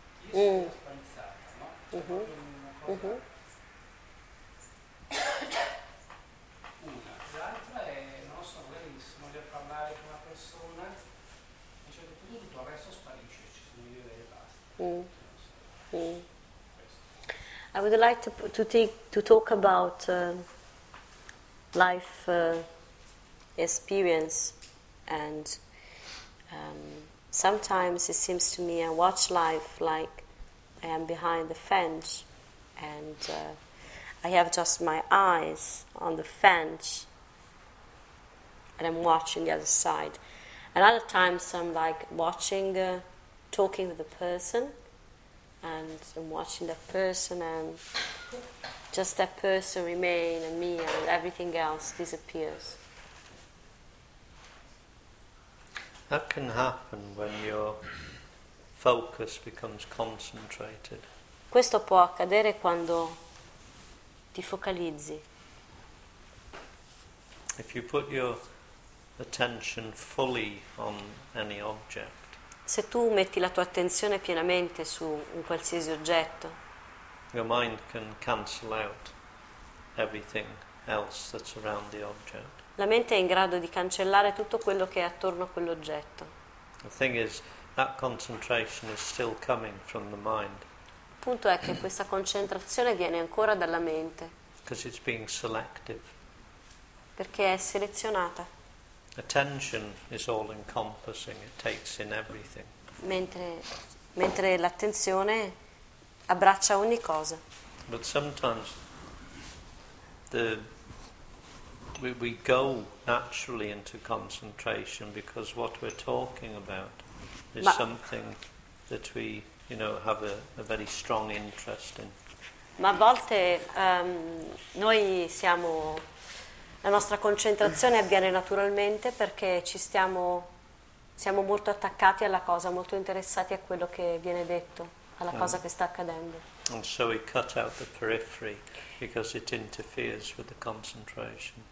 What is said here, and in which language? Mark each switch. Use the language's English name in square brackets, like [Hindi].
[Italian] Io sono una palizzata, no? Una. L'altra è, non lo so, magari sono lì a parlare con una persona, a un certo punto tutto il resto sparisce, ci sono io e basta. [English] I would like to talk about life experience, and sometimes it seems to me I watch life like I am behind the fence, and I have just my eyes on the fence, and I'm watching the other side. And other times I'm like watching, talking with a person, and I'm watching that person and Just that person remain, and me and everything else disappears. That can happen when your focus becomes concentrated. [Italian] Questo può accadere quando ti focalizzi. [English] If you put your attention fully on any object, [Italian] se tu metti la tua attenzione pienamente su un qualsiasi oggetto, [English] your mind can cancel out everything else that's around the object. [Italian] La mente è in grado di cancellare tutto quello che è attorno a quell'oggetto. [English] The thing is, that concentration is still coming from the mind. [Italian] Il punto è che questa concentrazione viene ancora dalla mente. [English] Because it's being selective. [Italian] Perché è selezionata. [English] Attention is all encompassing, it takes in everything. [Italian] Mentre l'attenzione abbraccia ogni cosa. [English] But sometimes we go naturally into concentration because what we're talking about is something that we, you know, have a very strong interest in. [Italian] Ma a volte noi siamo, la nostra concentrazione avviene naturalmente perché siamo molto attaccati alla cosa, molto interessati a quello che viene detto, alla cosa che sta accadendo. [English] And so we cut out the periphery because it interferes with the concentration.